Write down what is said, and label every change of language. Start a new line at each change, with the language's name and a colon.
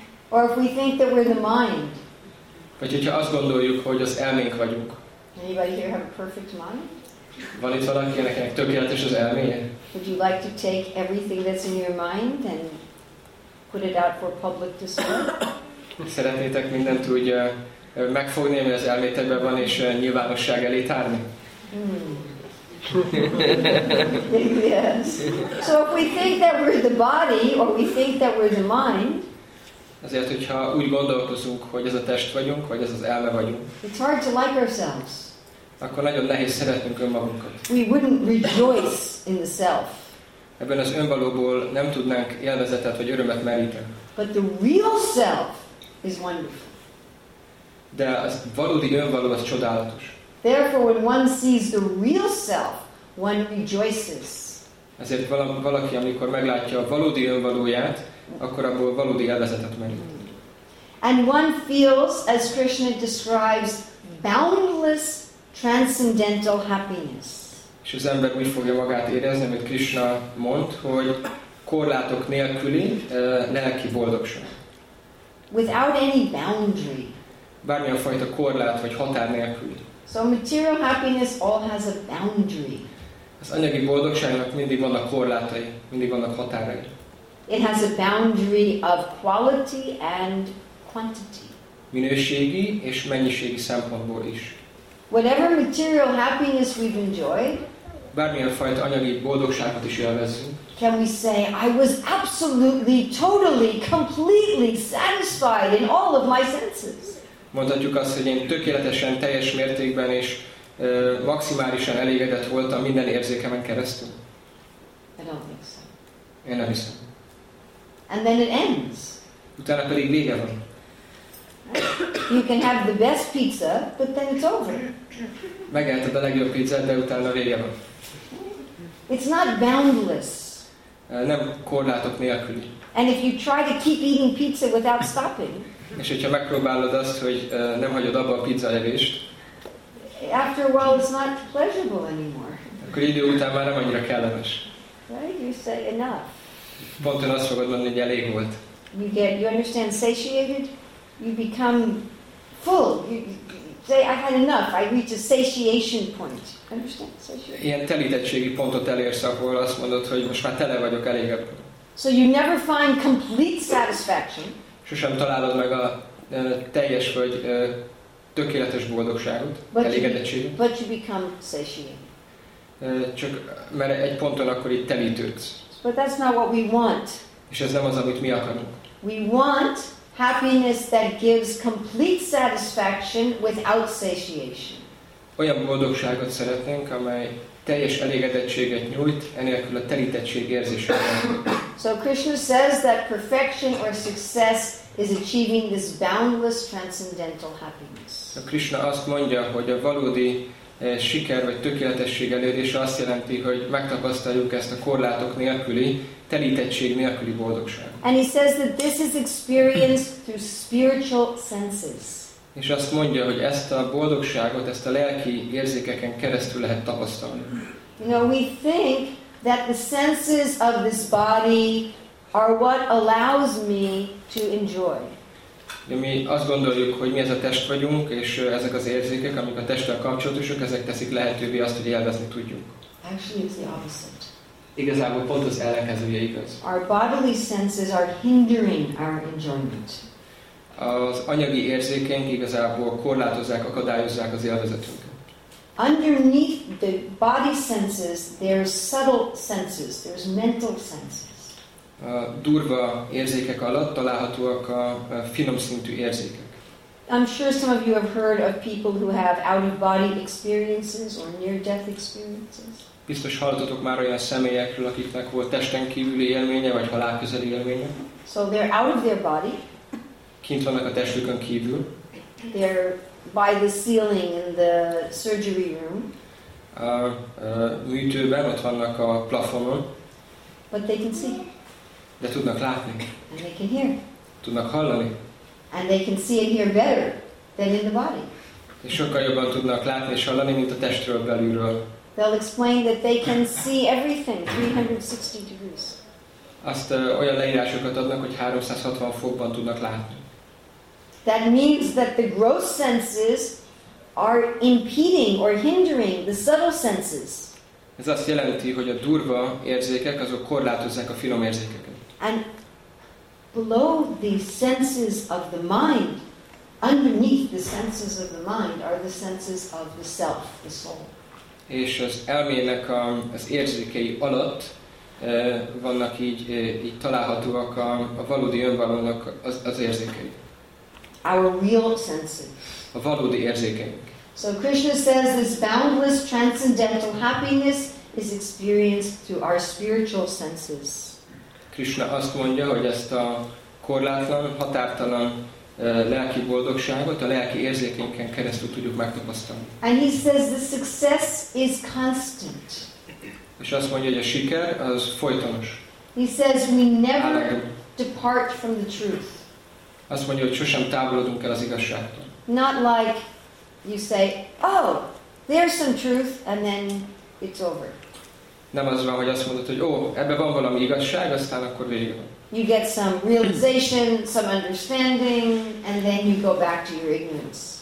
English: Or if we think that we're the mind.
Hungarian: Vagy hogyha azt gondoljuk, hogy az elménk vagyunk.
English: Anybody here have a perfect mind?
Hungarian: Van itt valaki, akinek tökéletes az elménye?
English: Would you like to take everything that's in your mind and put it out for public display?
Hungarian: Szeretnétek mindent úgy megfogni, ami az elmétekben van, és nyilvánosság elé tárni?
English: Yes. So if we think that we're the body, or we think that we're the mind,
Hungarian: azért, hogyha úgy gondolkozunk, hogy ez a test vagyunk, vagy ez az elme vagyunk,
English: it's hard to like ourselves.
Hungarian: Akkor nagyon nehéz szeretnünk önmagunkat.
English: We wouldn't rejoice in the self.
Hungarian: Ebben az önvalóból nem tudnánk élvezetet vagy örömet meríteni.
English: But the real self is wonderful.
Hungarian: De az valódi önvaló az csodálatos.
English: Therefore, when one sees the real self, one rejoices.
Hungarian: Ezért valaki, amikor meglátja a valódi önvalóját, akkor abból valódi élvezetet merít.
English: And one feels, as Krishna describes, boundless transcendental happiness.
Hungarian: És az ember úgy fogja magát érezni, amit Krishna mond, hogy korlátok nélküli lelki boldogság.
English: Without any boundary.
Hungarian: Bármilyen fajta korlát vagy határ nélkül.
English: So material happiness all has a boundary.
Hungarian: Az anyagi boldogságnak mindig vannak korlátai, mindig vannak határai.
English: It has a boundary of quality and quantity.
Hungarian: Minőségi és mennyiségi szempontból is.
English: Whatever material happiness we've enjoyed,
Hungarian: bármilyen fajta anyagi boldogságot is élvezzünk.
English: Can we say, I was absolutely, totally, completely satisfied in all of my senses?
Hungarian: Mondhatjuk azt, hogy én tökéletesen, teljes mértékben és maximálisan elégedett voltam minden érzékemen keresztül?
English: I don't think so.
Hungarian: Én nem hiszem.
English: And then it ends.
Hungarian: Utána pedig vége van.
English: You can have the best pizza, but then it's over.
Hungarian: Megetted a legjobb pizzát, de utána vége van.
English: It's not boundless.
Hungarian: Nem korlátok nélküli.
English: And if you try to keep eating pizza without stopping.
Hungarian: És hogyha megpróbálod azt, hogy nem hagyod abba a pizza evést.
English: After a while, it's not pleasurable anymore.
Hungarian: Akkor idő után már nem annyira kellemes.
English: Right? You say enough.
Hungarian: Pontosan azt fogod mondani, hogy elég volt.
English: You get, you understand, satiated. You become full. You say, I had enough. I reach a satiation point. Understand? Satiation.
Hungarian: Ilyen telítettségi pontot elérsz, ahol azt mondod, hogy most már tele vagyok, elég ebből.
English: So you never find complete satisfaction.
Hungarian: Sosem találod meg a teljes vagy tökéletes boldogságot, elégedettséget.
English: But you become satiated.
Hungarian: Csak mert egy ponton akkor itt telítődsz.
English: But that's not what we want.
Hungarian: És ez nem az, amit mi akarunk.
English: We want happiness that gives complete satisfaction without satiation.
Hungarian: Olyan boldogságot szeretnénk, amely teljes elégedettséget nyújt, enélkül a telítettség érzésével.
English: So Krishna says that perfection or success is achieving this boundless transcendental happiness.
Hungarian: A Krishna azt mondja, hogy a valódi siker vagy tökéletesség elérése azt jelenti, hogy megtapasztaljuk ezt a korlátok nélküli telítettség nélküli boldogság.
English: And he says that this is experienced through spiritual senses.
Hungarian: És azt mondja, hogy ezt a boldogságot, ezt a lelki érzékeken keresztül lehet tapasztalni.
English: No, we think that the senses of this body are what allows me to enjoy.
Hungarian: De mi azt gondoljuk, hogy mi ez a test vagyunk, és ezek az érzékek, amik a testtel kapcsolatosak, ezek teszik lehetővé azt, hogy élvezni tudjuk.
English: Actually, it's the opposite.
Hungarian: Igazából pont az ellenkezője igaz.
English: Our bodily senses are hindering our enjoyment.
Hungarian: Az anyagi érzékeink igazából korlátozzák, akadályozzák az élvezetünket.
English: Underneath the body senses, there are subtle senses, there's mental senses.
Hungarian: A durva érzékek alatt találhatóak a finom szintű érzékek.
English: I'm sure some of you have heard of people who have out-of-body experiences or near-death experiences.
Hungarian: Biztos hallottatok már olyan személyekről, akiknek volt testen kívüli élménye vagy halál közeli élménye.
English: So they're out of their body.
Hungarian: Kint vannak a testükön kívül.
English: They're by the ceiling in the surgery room.
Hungarian: A műtőben ott vannak a plafonon.
English: But they can see.
Hungarian: De tudnak látni.
English: And they can hear.
Hungarian: Tudnak hallani.
English: And they can see and hear better than in the body.
Hungarian: És sokkal jobban tudnak látni és hallani, mint a testről belülről.
English: They'll explain that they can see everything 360 degrees.
Hungarian: Azt olyan leírásokat adnak, hogy 360 fokban tudnak látni.
English: That means that the gross senses are impeding or hindering the subtle senses.
Hungarian: Ez azt jelenti, hogy a durva érzékek azok korlátozzák a finom érzékeket.
English: And below the senses of the mind, underneath the senses of the mind, are the senses of the self, the soul.
Hungarian: És az elmének az érzékei alatt vannak így találhatóak a valódi önvalónak az érzékei.
English: Our real senses.
Hungarian: A valódi érzékeink.
English: So Krishna says this boundless transcendental happiness is experienced through our spiritual senses.
Hungarian: Krishna azt mondja, hogy ezt a korlátlan, határtalan lelki boldogságot a lelki érzékeinken keresztül tudjuk megtapasztalni.
English: And he says the success is constant.
Hungarian: És azt mondja, hogy a siker az folytonos.
English: He says we never depart from the truth.
Hungarian: Azt mondja, hogy sosem távolodunk el az igazságtól.
English: Not like you say, oh, there's some truth, and then it's over.
Hungarian: Nem az van, hogy azt mondod, hogy ebben van valami igazság, aztán akkor vége van.
English: You get some realization, some understanding, and then you go back to your ignorance.